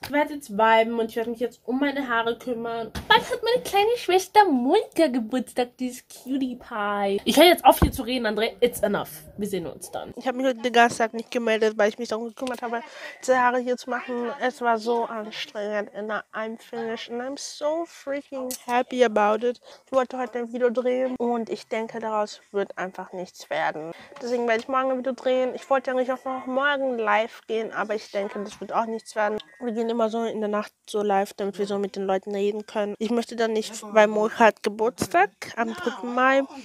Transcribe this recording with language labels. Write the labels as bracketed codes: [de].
[de] Ich werde jetzt viben und ich werde mich jetzt um meine Haare kümmern. Bald hat meine kleine Schwester Monika Geburtstag, dieses Cutie Pie. Ich höre jetzt auf hier zu reden, André. [en] It's enough. [de] Wir sehen uns dann. Ich habe mich heute den ganzen Tag nicht gemeldet, weil ich mich darum gekümmert habe, diese Haare hier zu machen. Es war so anstrengend. [en] And I'm finished. And I'm so freaking happy about it. [de] Ich wollte heute ein Video drehen und ich denke, daraus wird einfach nichts werden. Deswegen werde ich morgen ein Video drehen. Ich wollte eigentlich auch noch morgen live gehen, aber ich denke, das wird auch nichts werden. Wir gehen immer so in der Nacht so live, damit wir so mit den Leuten reden können. Ich möchte dann nicht, weil Monika hat Geburtstag am 3. Mai.